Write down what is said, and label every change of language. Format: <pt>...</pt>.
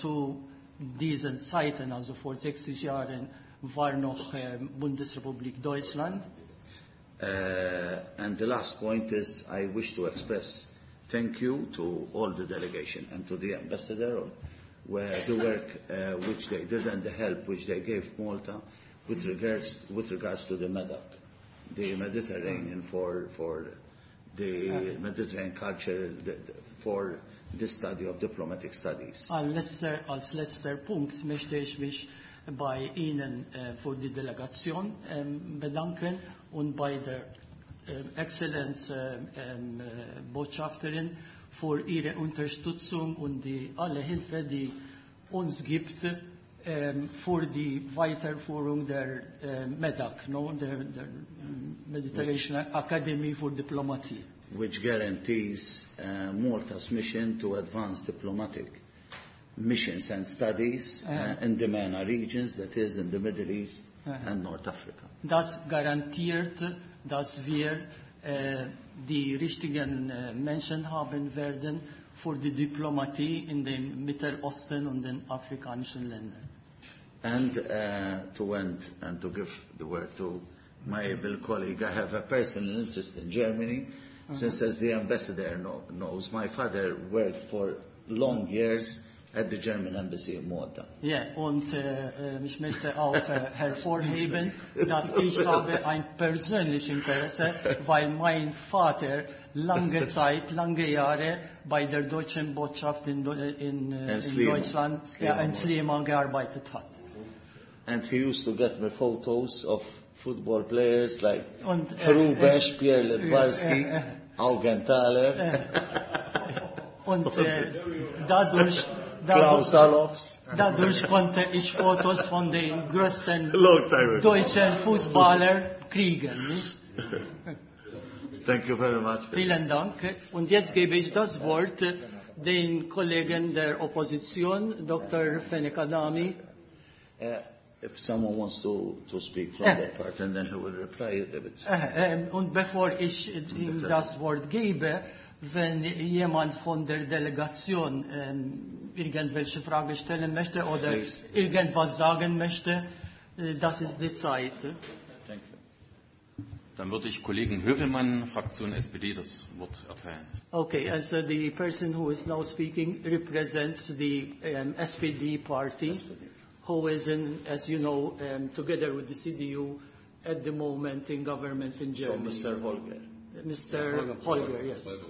<de>Zu diesen Zeiten, also vor 60 Jahren, war noch Bundesrepublik Deutschland.</de> <en>And the last point is, I wish to express thank you to all the delegation and to the ambassador for the work which they did and the help which they gave Malta with regards to the MEDOC, the Mediterranean for the Mediterranean culture, for the study of diplomatic studies.</en> <de>Als letzter Punkt möchte ich mich bei Ihnen für die Delegation bedanken und bei der Exzellenz Botschafterin für ihre Unterstützung und die alle Hilfe, die uns gibt für die Weiterführung der MEDAC, no, der Mediterranean Academy for Diplomacy,</de> <en>which guarantees Malta's mission to advance diplomatic missions and studies in the MENA regions, that is in the Middle East and North Africa.</en> <de>Das garantiert, dass wir die richtigen Menschen haben werden für die Diplomatie in den Mittelosten und den afrikanischen Ländern.</de> <en>And to end and to give the word to my able colleague, I have a personal interest in Germany, since as the ambassador knows, my father worked for long years at the German Embassy in Malta.</en> <de>Yeah, und ich möchte auch hervorheben, dass ich habe ein persönliches Interesse, weil mein Vater lange Jahre bei der deutschen Botschaft in Deutschland, in Sliema, gearbeitet hat.</de> <en>And he used to get me photos of football players like Rubesch, Pierre Lebarski, Augen Thaler.</en> <de>Und dadurch Klaus Allofs. Dadurch konnte ich Fotos von den größten deutschen Fußballern kriegen. Nicht?</de> <en>Thank you very much.</en> <de>Vielen Dank. Und jetzt gebe ich das Wort den Kollegen der Opposition, Dr. Fenech Adami.</de> <en>If someone wants to speak from their part, and then he will reply a bit.</en> <de>Und bevor ich ihm das Wort gebe, wenn jemand von der Delegation irgendwelche Frage stellen möchte oder irgendwas sagen möchte, das ist die Zeit. Dann würde ich Kollegen Hövelmann, Fraktion SPD, das Wort erteilen.</de> <en>Okay, also the person who is now speaking represents the SPD party, who is in, as you know, together with the CDU at the moment in government in Germany. So Mr. Holger. Mr. Holger, yes.</en>